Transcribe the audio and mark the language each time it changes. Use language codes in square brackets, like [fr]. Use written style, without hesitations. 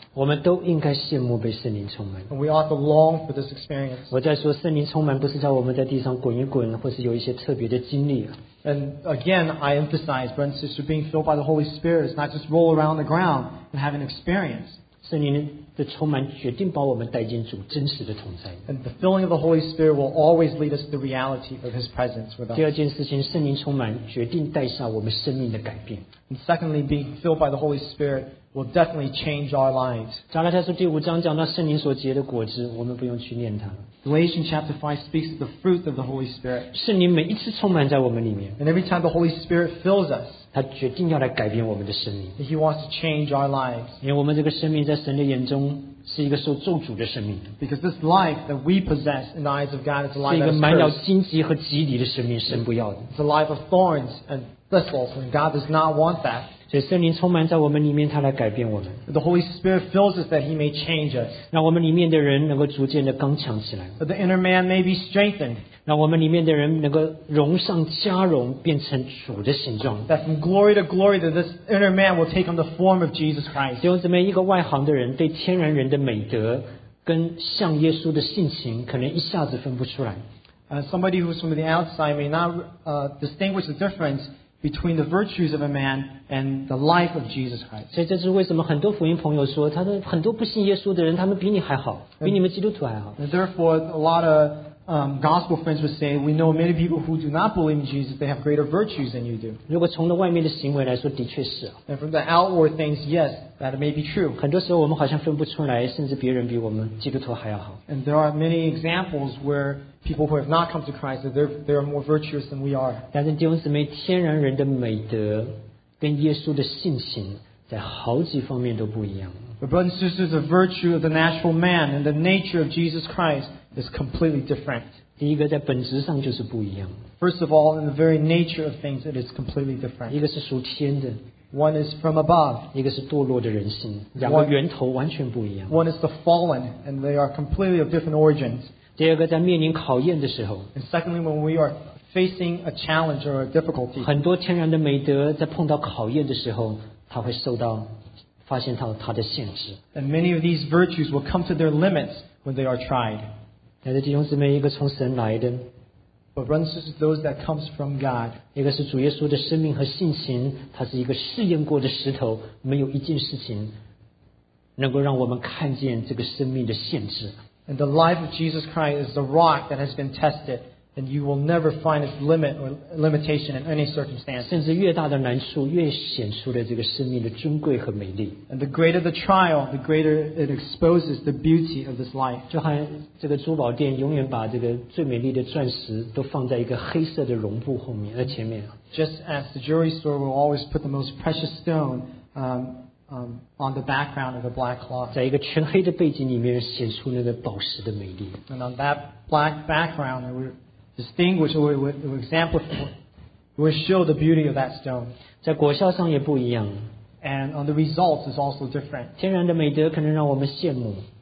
[zh] 我们都应该羡慕被圣灵充满。 [en] And we ought to long for this experience. [zh] 我在说圣灵充满不是叫我们在地上滚一滚，或是有一些特别的经历。 [en] And again, I emphasize, brothers and sisters, being filled by the Holy Spirit is not just roll around the ground and have an experience. [zh] 圣灵的充满决定把我们带进主真实的同在。 [en] And the filling of the Holy Spirit will always lead us to the reality of His presence with us. [zh] 第二件事情，圣灵充满决定带下我们生命的改变。 [en] And secondly, being filled by the Holy Spirit will definitely change our lives. [zh] 加拉太书第五章讲到圣灵所结的果子，我们不用去念它。 [en] Galatians chapter 5 speaks of the fruit of the Holy Spirit. [zh] 圣灵每一次充满在我们里面。 [en] And every time the Holy Spirit fills us, [zh] 他决定要来改变我们的生命。 [en] He wants to change our lives. [zh] 因为我们这个生命在神的眼中是一个受咒诅的生命。 [en] Because this life that we possess in the eyes of God is a life that is cursed. [zh] 是一个满有荆棘和蒺藜的生命，神不要的。 [en] It's a life of thorns and thistles, and God does not want that. [zh] 所以圣灵充满在我们里面，祂来改变我们。 [en] The Holy Spirit fills us that He may change us. [zh] 让我们里面的人能够逐渐的刚强起来。 [en] That the inner man may be strengthened. [zh] 让我们里面的人能够荣上加荣，变成主的形状。 [en] That from glory to glory, that this inner man will take on the form of Jesus Christ. [zh] 弟兄姊妹，一个外行的人对天然人的美德跟像耶稣的性情，可能一下子分不出来。 [en] Somebody who's from the outside may not distinguish the difference. Between the virtues of a man and the life of Jesus Christ. [zh] 所以这是为什么很多福音朋友说，他的很多不信耶稣的人，他们比你还好，比你们基督徒还好。 [en] And therefore, a lot of gospel friends would say, we know many people who do not believe in Jesus, they have greater virtues than you do. [zh] 如果从外面的行为来说，的确是。 [en] And from the outward things, yes, that may be true. [zh] 很多时候我们好像分不出来，甚至别人比我们基督徒还要好。 [en] And there are many examples where. People who have not come to Christ, they are more virtuous than we are. [zh] 但是弟兄姊妹，天然人的美德跟耶稣的性情在好几方面都不一样。 [en] But brothers and sisters, the virtue of the natural man and the nature of Jesus Christ is completely different. [zh] 第一个在本质上就是不一样。 [en] First of all, in the very nature of things, it is completely different. [zh] 一个是属天的。 [en] One is from above. [zh] 一个是堕落的人心，两个源头完全不一样。 [en] One is the fallen, and they are completely of different origins. [zh] 第二个，在面临考验的时候， [en] and secondly, when we are facing a challenge or a difficulty, [zh] 很多天然的美德在碰到考验的时候，它会受到发现到它的限制。 [en] And many of these virtues will come to their limits when they are tried. [zh] 但是弟兄姊妹，一个从神来的， [en] but brothers and sisters, those that comes from God, [zh] 一个是主耶稣的生命和性情，它是一个试验过的石头，没有一件事情能够让我们看见这个生命的限制。 [en] And the life of Jesus Christ is the rock that has been tested, and you will never find its limit or limitation in any circumstance. [zh] 甚至越大的难处，越显出了这个生命的尊贵和美丽。 [en] And the greater the trial, the greater it exposes the beauty of this life. [zh] 就像这个珠宝店永远把这个最美丽的钻石都放在一个黑色的绒布后面，前面。 [en] Just as the jewelry store will always put the most precious stone, on the background of the black cloth. [zh] 在一个全黑的背景里面显出那个宝石的美丽。 [en] And on that black background, it would distinguish, it would exemplify, it would show the beauty of that stone. [zh] 在果效上也不一样。 [en] And on the results is also different. [zh] 天然的美德可能让我们羡慕。